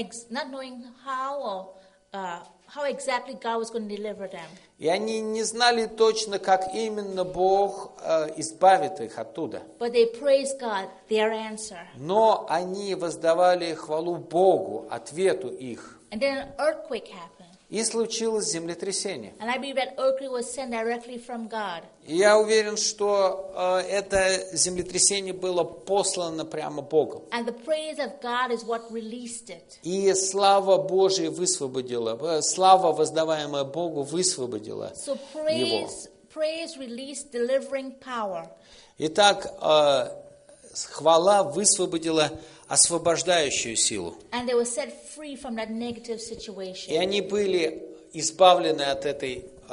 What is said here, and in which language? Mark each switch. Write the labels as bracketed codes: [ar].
[en] Not knowing how exactly God was going to deliver them. [ru] И они не знали точно, как именно Бог избавит их оттуда. [en] But they praised God, their answer. [ru] Но они воздавали хвалу Богу, ответу их. [en] And then an earthquake happened. [ru] И случилось землетрясение. [en] And I believe that earthquake was sent directly from God. [ru] Я уверен, что это землетрясение было послано прямо Богом. [en] And the praise of God is what released it. [ru] И слава Божия высвободила, слава, воздаваемая Богу, высвободила его. [en] So praise released delivering power. [ru] Итак, хвала высвободила освобождающую силу. [en] And they were set free from that negative situation. [ru] И они были избавлены от этой